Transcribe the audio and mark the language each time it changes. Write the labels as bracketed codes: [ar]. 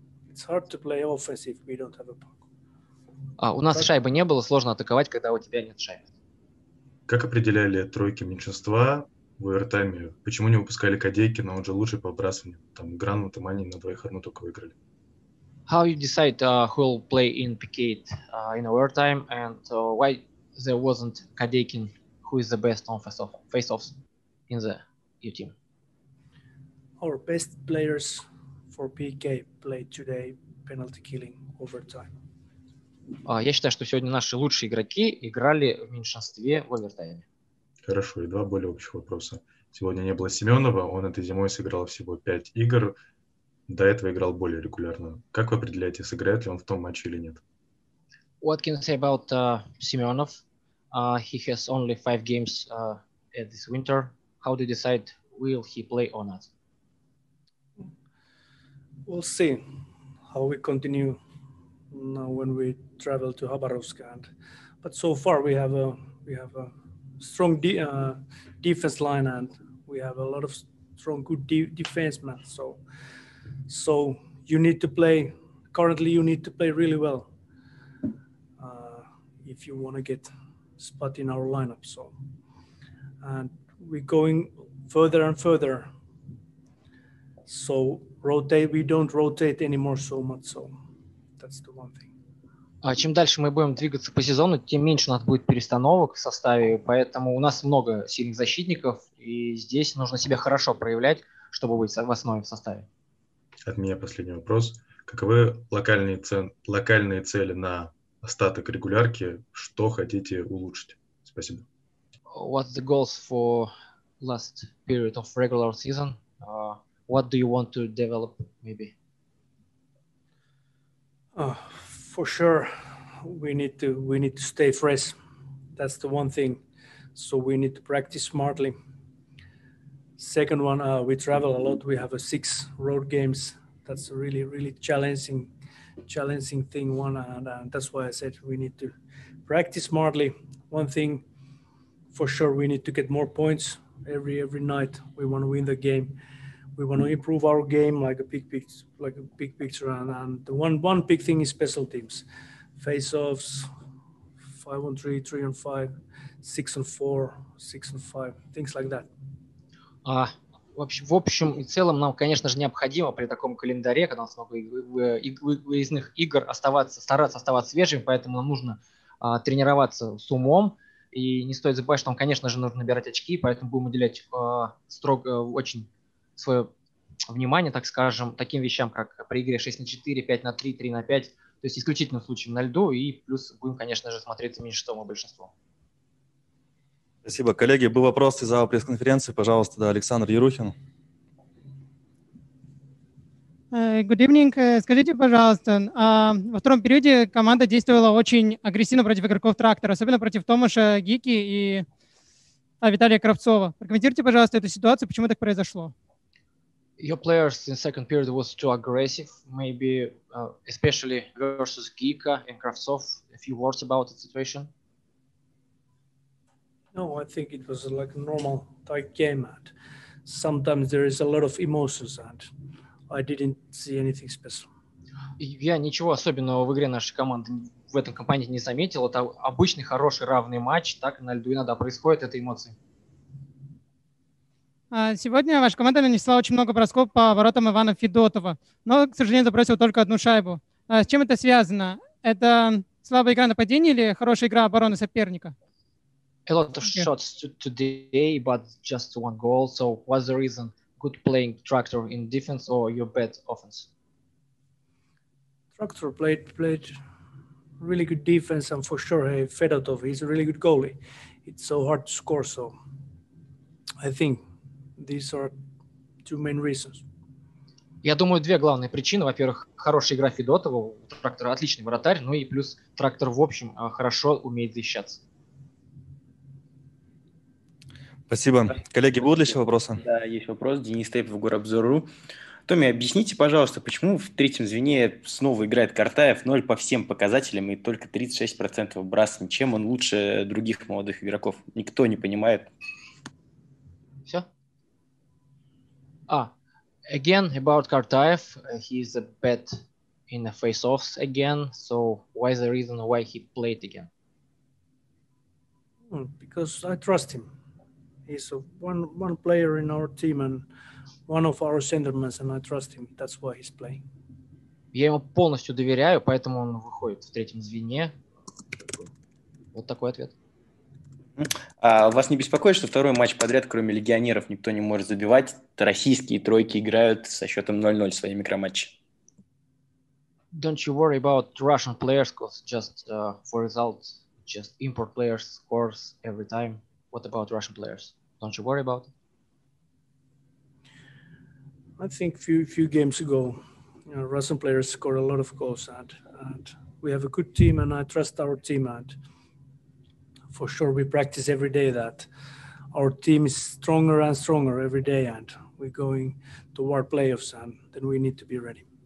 [en] It's hard to play offensive if we don't have a puck. [ru] У нас шайбы не было, сложно атаковать, когда у тебя нет шайбы. Как определяли тройки меньшинства в овертайме? Почему не выпускали Кадейки, но он же лучший по отбрасыванию? Там Гранат и Манни на двоих одну только выиграли. [en] How you decide who will play in Picket in overtime and why there wasn't Kadekin, who is the best on face-offs in the your team? Our best players for PK played today penalty killing overtime. [ru] Я считаю, что сегодня наши лучшие игроки играли в меньшинстве в овертайме. Хорошо, и два более общих вопроса. Сегодня не было Семенова, он этой зимой сыграл всего 5 игр, до этого играл более регулярно. Как вы определяете, сыграет ли он в том матче или нет? [en] What can you say about Semyonov? He has only 5 games at this winter. How do you decide will he play or not? We'll see how we continue now when we travel to Khabarovsk. But so far we have a strong defense line and we have a lot of strong good defensemen. So you need to play. Currently, you need to play really well if you want to get spot in our lineup. So, and we're going further and further. So rotate, we don't rotate anymore so much. So that's the one thing. [ru] Чем дальше мы будем двигаться по сезону, тем меньше у нас будет перестановок в составе. Поэтому у нас много сильных защитников, и здесь нужно себя хорошо проявлять, чтобы быть в основе в составе. От меня последний вопрос. Каковы локальные цели на остаток регулярки, что хотите улучшить? Спасибо. [en] What's the goals for last period of regular season? What do you want to develop, maybe? For sure, we need to stay fresh. That's the one thing. So we need to practice smartly. Second one, we travel a lot. We have 6 road games. That's a really, really challenging thing, one, and that's why I said we need to practice smartly. One thing for sure, we need to get more points every night. We want to win the game. We want to improve our game like a big picture. And the one big thing is special teams. Face-offs, 5-on-3, 3-on-5, 6-on-4, 6-on-5, things like that. [ru] В общем и целом нам, конечно же, необходимо при таком календаре, когда у нас много выездных игр, стараться оставаться свежим, поэтому нам нужно тренироваться с умом. И не стоит забывать, что нам, конечно же, нужно набирать очки, поэтому будем уделять строго очень свое внимание, так скажем, таким вещам, как при игре 6-4, 5-3, 3-5, то есть исключительно в случае на льду, и плюс будем, конечно же, смотреться меньшинством и большинством. Спасибо. Коллеги, был вопрос из зала пресс-конференции. Пожалуйста, да, Александр Ерухин. [en] Good evening. [ru] Скажите, пожалуйста, во втором периоде команда действовала очень агрессивно против игроков Трактора, особенно против Томаша, Гики и Виталия Кравцова. Прокомментируйте, пожалуйста, эту ситуацию, почему так произошло. [en] Your players in second period was too aggressive, maybe especially versus Gika and Kravtsov. A few words about the situation. No, I think it was like a normal tight game. And sometimes there is a lot of emotions, and I didn't see anything special. [ru] Я ничего особенного в игре нашей команды в этом компании не заметил. Это обычный хороший равный матч, так на льду иногда происходит эти эмоции. Сегодня ваша команда нанесла очень много бросков по воротам Ивана Федотова, но, к сожалению, забросил только одну шайбу. С чем это связано? Это слабая игра нападения или хорошая игра обороны соперника? [en] A lot of shots today, but just one goal. So what's the reason? Good playing Traktor in defense or your bad offense? Traktor played really good defense, and for sure, hey, Fedotov, he's a really good goalie. It's so hard to score, so I think these are two main reasons. [ru] Я думаю, две главные причины. Во-первых, хорошая игра Федотова, Трактор отличный вратарь, ну и плюс Трактор, в общем, хорошо умеет защищаться. Спасибо. Коллеги, будут ли еще вопросы? Да, есть вопрос. Денис Тейпов, Горобзор.ру. Томми, объясните, пожалуйста, почему в третьем звене снова играет Картаев 0 по всем показателям и только 36% выбрасываний? Чем он лучше других молодых игроков? Никто не понимает. Все? [en] Again, about Kartaev, he's a bad in the face-offs again, so why is the reason why he played again? Because I trust him. He's one player in our team and one of our centermen, and I trust him. That's why he's playing. [ru] Я ему полностью доверяю, поэтому он выходит в третьем звене. Вот такой ответ. А вас не беспокоит, что второй матч подряд, кроме легионеров, никто не может забивать? Российские тройки играют со счетом 0-0 свои микроматчи. [en] Don't you worry about Russian players, because just for results, just import players scores every time. What about Russian players? Don't you worry about it? I think few games ago, you know, Russian players scored a lot of goals, and we have a good team, and I trust our team, and for sure we practice every day that our team is stronger and stronger every day, and we're going toward playoffs, and then we need to be ready.